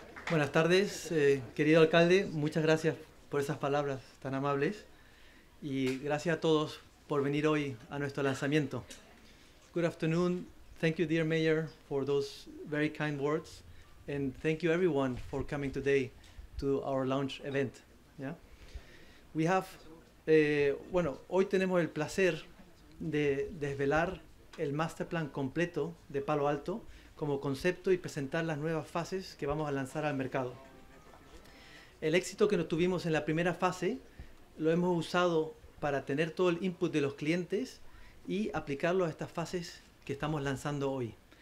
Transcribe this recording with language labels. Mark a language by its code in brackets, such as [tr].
[es] Buenas tardes, querido alcalde. Muchas gracias por esas palabras tan amables. Y gracias a todos por venir hoy a nuestro lanzamiento. [en] Good afternoon. Thank you, dear Mayor, for those very kind words. And thank you everyone for coming today to our launch event. Yeah, we have, [es] bueno, hoy tenemos el placer de desvelar el master plan completo de Palo Alto como concepto y presentar las nuevas fases que vamos a lanzar al mercado. El éxito que nos tuvimos en la primera fase lo hemos usado para tener todo el input de los clientes y aplicarlo a estas fases que estamos lanzando hoy.